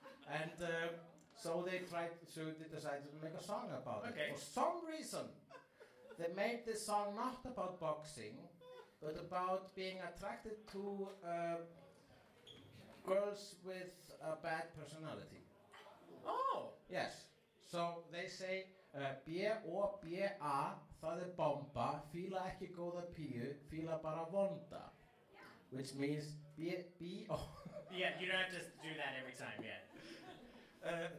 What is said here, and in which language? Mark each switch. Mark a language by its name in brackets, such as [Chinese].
[English] And so they decided to make a song about okay. it. For some reason, they made this song not about boxing, but about being attracted to girls with a bad personality. Oh! Yes. So they say, [Icelandic] B-O-B-A, það er bomba, fíla ekki góða píu, fíla bara vonda. [English] Which means, B-O. Yeah, you don't have to do that every time, yeah.